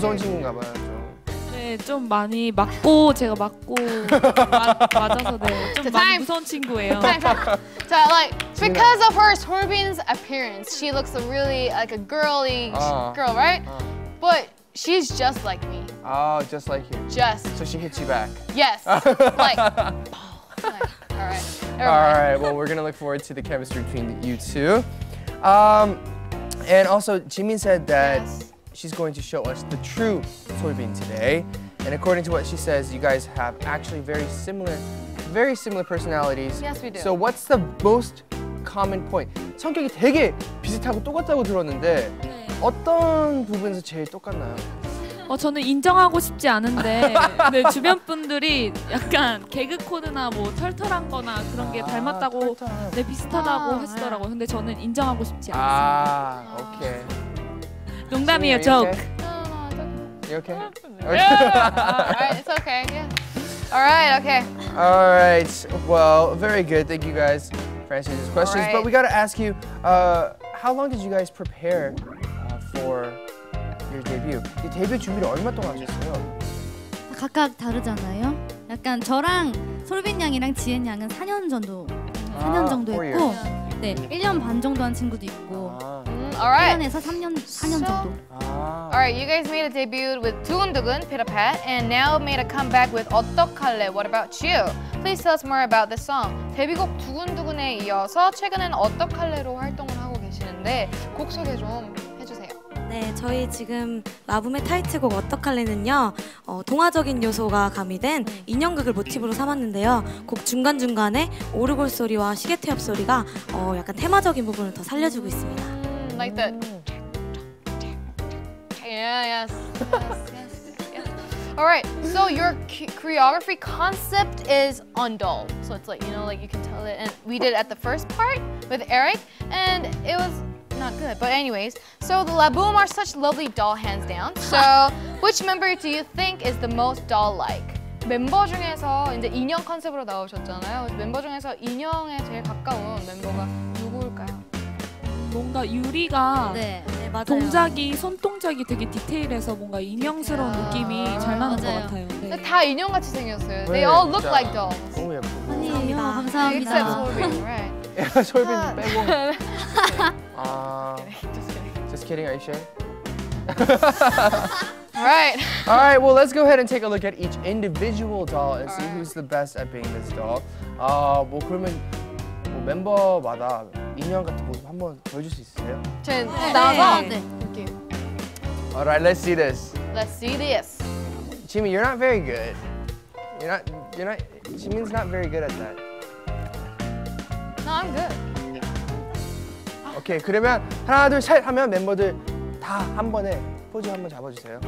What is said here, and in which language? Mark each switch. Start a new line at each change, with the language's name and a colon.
Korean: 무서운 친구인가봐요 좀. 네, 좀 많이 맞고 제가 맞고 맞아서 네, 좀 많이 무서운 친구예요.
English: So like because of her Soobin's appearance, she looks really like a girly girl, right? But she's just like me. Oh, just like you. Just. So she hits you back. Yes. like. All right. All right. Well, we're gonna look forward to the chemistry between you two. And also, Jimin said that she's going to show us the true Soobin today. And according to what she says, you guys have actually very similar personalities. Yes, we do. So what's the most common point?
Korean: 성격이 되게 비슷하고 똑같다고 들었는데 네. 어떤 부분에서 제일 똑같나요? 저는 인정하고 싶지 않은데 네, 주변 분들이 약간 개그 코드나 뭐 털털한 거나 그런 게 닮았다고 네, 비슷하다고 하시더라고요. 근데 저는 인정하고 싶지 않습니다. 아, 오케이. 농담이에요, 조크.
English: You okay? It's okay, yeah. All right, okay. All right, well, very good. Thank you guys for answering these questions. Right. But we gotta ask you, how long did you guys prepare for your debut?
Korean: 이 데뷔 준비를 얼마 동안 하셨어요? 각각 다르잖아요. 약간 저랑 솔빈 양이랑 지은 양은 4년 정도 했고 네, 1년 반 정도 한 친구도 있고
English: All right.
Korean: 1년에서 4년 정도.
English: All right, you guys made a debut with 두근두근, Pitapat, and now made a comeback with 어떡할래, What About You? Please tell us more about this song.
Korean: 데뷔곡 두근두근에 이어서 최근엔 어떡할래로 활동을 하고 계시는데 곡 소개 좀 해주세요. 네, 저희 지금 라붐의 타이틀곡 어떡할래는요, 동화적인 요소가 가미된 인형극을 모티브로 삼았는데요. 곡 중간중간에 오르골 소리와 시계 태엽 소리가 약간 테마적인 부분을 더 살려주고 있습니다.
English: Like that. Yeah, yes. All right, so your choreography concept is undulled. So it's like, you know, like you can tell it. And we did it at the first part with Eric, and it was not good. But anyways, so the La Boom are such lovely doll hands down. So which member do you think is the most doll-like?
Korean: 멤버 중에서 이제 인형 컨셉으로 나오셨잖아요. 멤버 중에서 인형에 제일 가까운 멤버가 누구일까요? 뭔가 유리가 네. 맞아요. 동작이, 손동작이 되게 디테일해서 뭔가 인형스러운 느낌이 잘 나는 맞아요. 것 같아요. 네. 다 인형같이 생겼어요. 네,
English: They all look
Korean: 진짜.
English: like dolls.
Korean: 너무 예쁘고. 감사합니다.
English: Except Soobin, right?
Korean: 솔빈 빼고.
English: Just kidding. Just kidding, are you sure? All right. All right, well, let's go ahead and take a look at each individual doll and see who's the best at being this doll.
Korean: 뭐 그러면 뭐 멤버마다 인형 같은 모습 한번 보여줄 수 있으세요? 제가 나와서? 네. 오케이.
English: All right, let's see this. Let's see this. Jimmy, you're not very good. You're not, Jimmy's not very good at that. No, I'm good.
Korean: Okay, 그러면 하나, 둘, 셋 하면 멤버들 다 한 번에 포즈 한번 잡아주세요.